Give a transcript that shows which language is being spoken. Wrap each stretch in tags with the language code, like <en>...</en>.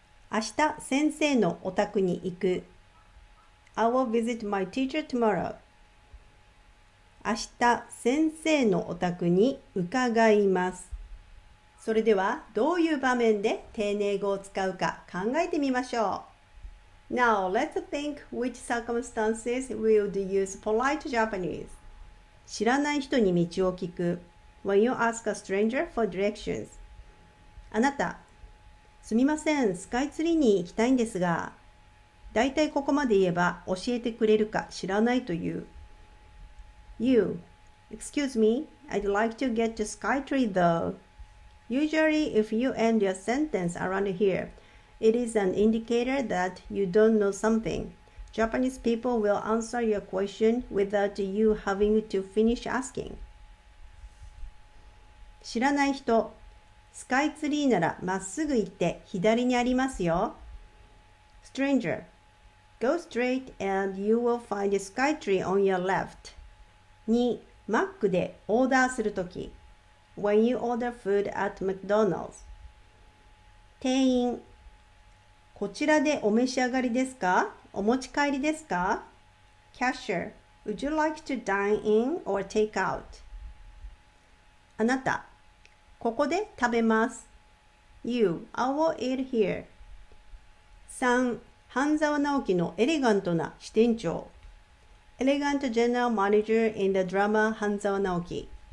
<ja>明日先生のお宅に行く。</ja> <en>I will visit my teacher tomorrow.</en> <ja>明日先生のお宅に伺います。それではどういう場面で丁寧語を使うか考えてみましょう。</ja> <en>Now, let's think which circumstances we would use polite Japanese.</en> <ja>知らない人に道を聞く。</ja> <en>When you ask a stranger for directions.</en> <ja>あなた、すみません、スカイツリーに行きたいんですが、だいたいここまで言えば教えてくれるか知らないという。</ja> <en>You, Excuse me, I'd like to get to SkyTree though. Usually, if you end your sentence around here, it is an indicator that you don't know something. Japanese people will answer your question without you having to finish asking.</en> <ja>知らない人、スカイツリーならまっすぐ行って左にありますよ。</ja> <en>Stranger, go straight and you will find the sky tree on your left. 2.</en> <ja>マックでオーダーするとき。</ja> <en>When you order food at McDonald's.</en> <ja>店員、こちらでお召し上がりですか？お持ち帰りですか？</ja> <en>Cashier, would you like to dine in or take out?</en> <ja>あなた、ここで食べます。</ja> <en>You, I will eat here. 3.</en> <ja>半沢直樹のエレガントな支店長。</ja> <en>Elegant general manager in the drama 半沢直樹。</en>